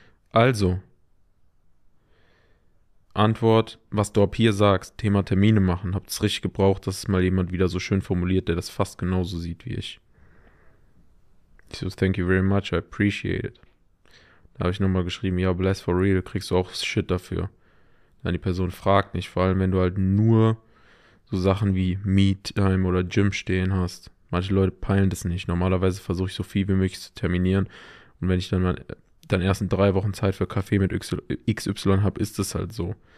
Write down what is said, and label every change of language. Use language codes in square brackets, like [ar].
[de] Also. Antwort, was du ab hier sagst, Thema Termine machen. Habt es richtig gebraucht, dass es mal jemand wieder so schön formuliert, der das fast genauso sieht wie ich. Ich so, [en] thank you very much, I appreciate it. [de] Da habe ich nochmal geschrieben, ja, [en] bless for real, [de] kriegst du auch Shit dafür. Dann die Person fragt nicht, vor allem wenn du halt nur so Sachen wie Me-Time oder Gym stehen hast. Manche Leute peilen das nicht. Normalerweise versuche ich so viel wie möglich zu terminieren. Und wenn ich dann mal. Dann erst in 3 Wochen Zeit für Kaffee mit XY habe, ist es halt so.